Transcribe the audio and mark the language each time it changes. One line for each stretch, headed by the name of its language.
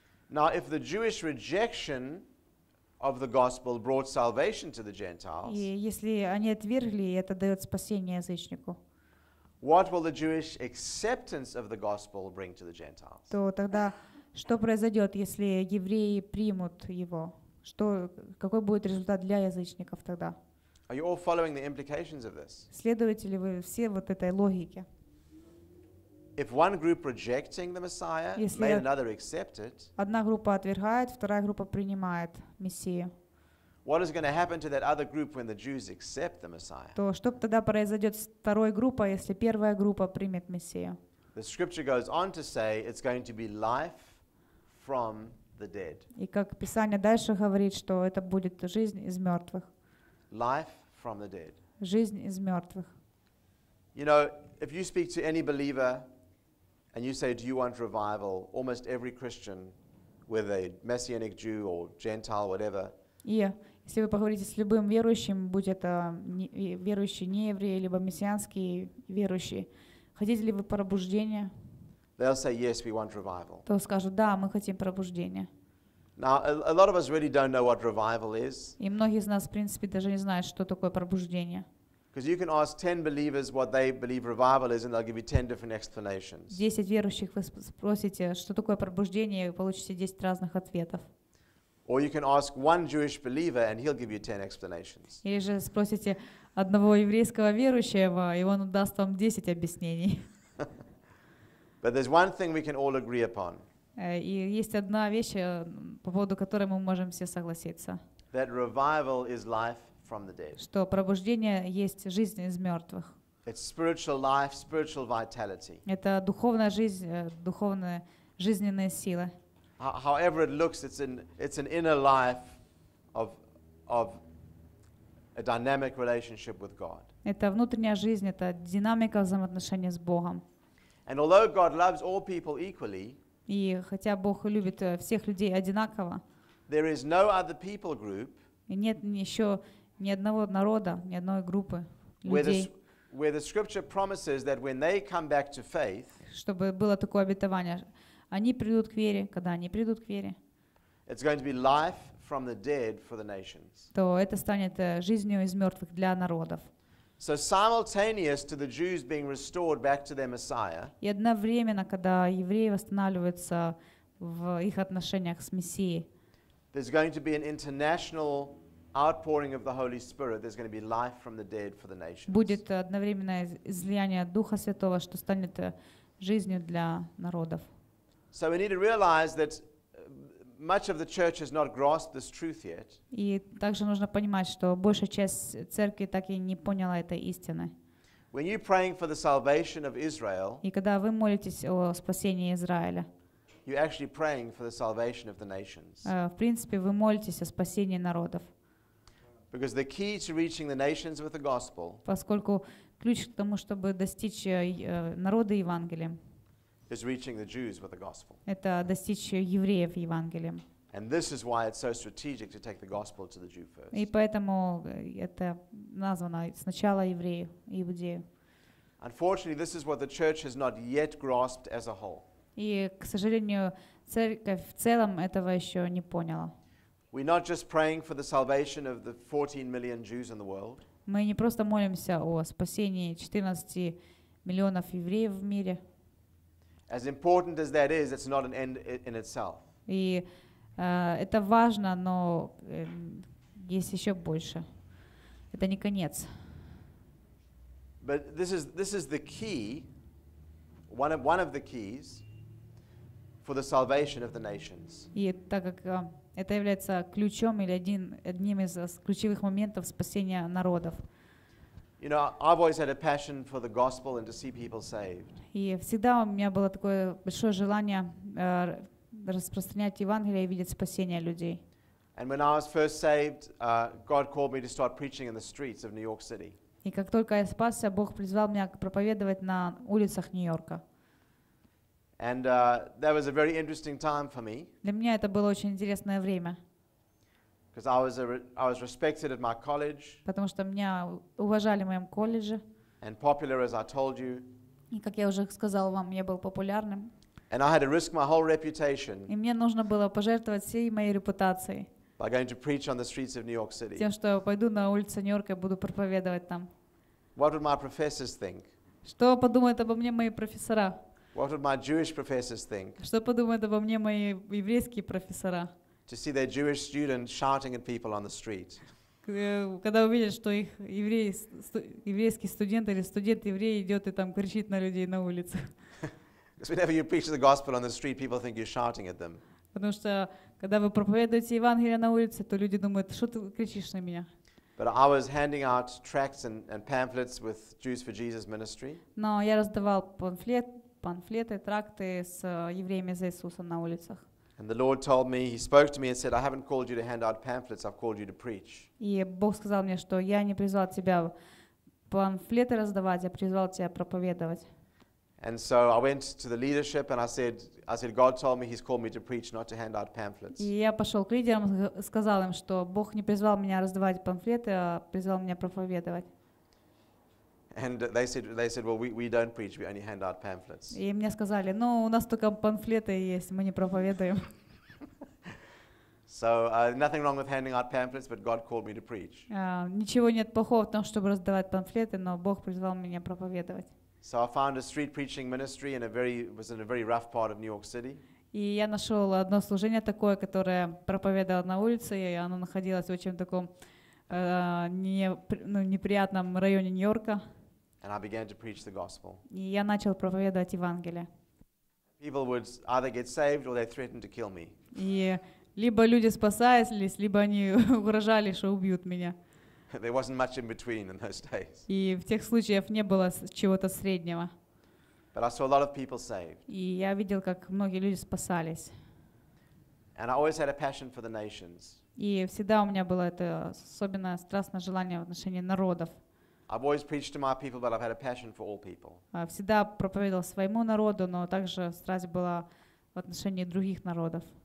English: Now, if the Jewish rejection of the gospel brought salvation to the Gentiles,
Russian: и если они отвергли, это дает спасение язычнику,
English: what will the Jewish acceptance of the gospel bring to the Gentiles?
Russian: То тогда что произойдет, если евреи примут его? Что, какой будет результат для язычников тогда?
English: Are you all following the implications of this?
Russian: Следуете ли вы все вот этой логике?
English: If one group rejecting the Messiah,
Russian: если
English: may another accept it,
Russian: одна группа отвергает, вторая группа принимает Мессию.
English: What is going to happen to that other group when the Jews accept the Messiah?
Russian: То что тогда произойдет с второй группой, если первая группа примет Мессию?
English: The scripture goes on to say it's going to be life from the dead.
Russian: И как Писание дальше говорит, что это будет жизнь из мертвых.
English: Life from the dead.
Russian: Жизнь из мертвых.
English: You know, if you speak to any believer and you say, "Do you want revival?" Almost every Christian, whether a Messianic Jew or Gentile, whatever.
Russian: И если вы поговорите с любым верующим, будь это верующий не еврей либо мессианский верующий, хотите ли вы пробуждения?
English: They'll say yes, we want revival.
Russian: То скажут да, мы хотим пробуждения.
English: Now, a lot of us really don't know what revival is.
Russian: И многие из нас, в принципе, даже не знают, что такое пробуждение.
English: Because you can ask 10 believers what they believe revival is, and they'll give you 10 different explanations.
Russian: 10 верующих вы спросите, что такое пробуждение, и получите 10 разных ответов.
English: Or you can ask one Jewish believer, and he'll give you 10 explanations.
Russian: Или же спросите одного еврейского верующего, и он даст вам 10 объяснений.
English: But there's one thing we can all agree upon.
Russian: И есть одна вещь, по поводу которой мы можем все согласиться.
English: That revival is life from the dead.
Russian: Что пробуждение есть жизнь из мертвых.
English: It's spiritual life, spiritual vitality.
Russian: Это духовная жизнь, духовная жизненная сила.
English: However it looks, it's an inner life of a dynamic relationship with God.
Russian: Это внутренняя жизнь, это динамика взаимоотношений с Богом.
English: And although God loves all people equally,
Russian: и хотя Бог любит всех людей одинаково,
English: there is no other people group,
Russian: и нет еще ни одного народа, ни одной группы людей,
English: where the scripture promises that when they come back to faith,
Russian: чтобы было такое обетование, они придут к вере, когда они придут к вере,
English: it's going to be life from the dead for the nations.
Russian: То это станет жизнью из мертвых для народов.
English: So simultaneous to the Jews being restored back to their Messiah.
Russian: И одновременно, когда евреи восстанавливаются в их отношениях с Мессией.
English: There's going to be an international outpouring of the Holy Spirit, there's going to be life from the dead for the nations.
Russian: Будет одновременное излияние Духа Святого, что станет жизнью для народов.
English: So we need to realize that much of the church has not grasped this truth yet.
Russian: И также нужно понимать, что большая часть церкви так и не поняла этой истины.
English: When you're praying for the salvation of Israel,
Russian: и когда вы молитесь о спасении Израиля,
English: you're actually praying for the salvation of the nations.
Russian: В принципе, вы молитесь о спасении народов.
English: Because the key to reaching the nations with the gospel,
Russian: поскольку ключ к тому, чтобы достичь народа Евангелием,
English: is reaching the Jews with the gospel.
Russian: Это достичь евреев Евангелием.
English: And this is why it's so strategic to take the gospel to the Jew first.
Russian: И поэтому это названо сначала еврею, иудею.
English: Unfortunately, this is what the church has not yet grasped as a whole.
Russian: И, к сожалению, церковь в целом этого еще не поняла.
English: We're not just praying for the salvation of the 14 million Jews in the world.
Russian: Мы не просто молимся о спасении 14 миллионов евреев в мире.
English: As important as that is, it's not an end in itself.
Russian: И это важно, но есть еще больше. Это не конец.
English: But this is the key, one of the keys for the salvation of the nations.
Russian: И так как это является ключом или одним из ключевых моментов спасения народов.
English: You know, I've always had a passion for the gospel and to see people saved.
Russian: И всегда у меня было такое большое желание распространять Евангелие и видеть спасение людей.
English: And when I was first saved, God called me to start preaching in the streets of New York City.
Russian: И как только я спасся, Бог призвал меня проповедовать на улицах Нью-Йорка.
English: And that was a very interesting time for me.
Russian: Для меня это было очень интересное время.
English: Because I was respected at my college.
Russian: Потому что меня уважали в моем колледже.
English: And popular, as I told you.
Russian: И как я уже сказал вам, я был популярным.
English: And I had to risk my whole reputation.
Russian: И мне нужно было пожертвовать всей моей репутацией.
English: By going to preach on the streets of New York City.
Russian: Тем, что я пойду на улицы Нью-Йорка и буду проповедовать там.
English: What would my professors think?
Russian: Что подумают обо мне мои профессора?
English: What would my Jewish professors think?
Russian: Что подумают обо мне мои еврейские профессора?
English: To see their Jewish students shouting at people on the street.
Russian: Когда увидят, что их еврейский студент или студент-еврей идет и там кричит на людей на улице.
English: Because whenever you preach the gospel on the street, people think you're shouting at them.
Russian: Потому что когда вы проповедуете Евангелие на улице, то люди думают, что ты кричишь на меня.
English: But I was handing out tracts and pamphlets with Jews for Jesus ministry.
Russian: Но я раздавал памфлеты, тракты с евреями за Иисуса на улицах.
English: And the Lord told me, He spoke to me and said, I haven't called you to hand out pamphlets, I've called you to preach.
Russian: И Бог сказал мне, что я не призвал тебя памфлеты раздавать, я призвал тебя проповедовать.
English: And so I went to the leadership and I said, God told me He's called me to preach, not to hand out pamphlets.
Russian: И я пошел к лидерам, сказал им, что Бог не призвал меня раздавать памфлеты, а призвал меня проповедовать.
English: And they said, well, we don't preach, we only hand out pamphlets.
Russian: И мне сказали, ну, у нас только памфлеты есть, мы не проповедуем.
English: So nothing wrong with handing out pamphlets, but God called me to preach.
Russian: Ничего нет плохого в том, чтобы раздавать памфлеты, но Бог призвал меня проповедовать.
English: So I found a street preaching ministry in a very rough part of New York City.
Russian: И я нашел одно служение такое, которое проповедовало на улице, и оно находилось в очень таком неприятном районе Нью-Йорка.
English: And I began to preach the gospel.
Russian: И я начал проповедовать Евангелие.
English: People would either get saved or they threatened to kill me.
Russian: И либо люди спасались, либо они угрожали, что убьют меня.
English: There wasn't much in between in those days.
Russian: И в тех случаях не было чего-то среднего.
English: But I saw a lot of people saved.
Russian: И я видел, как многие люди спасались.
English: And I always had a passion for the nations.
Russian: И всегда у меня было это особенное страстное желание в отношении народов.
English: I've always preached to my people, but I've had a passion for all people.
Russian: Всегда проповедовал своему народу, но также страсть была в отношении других народов.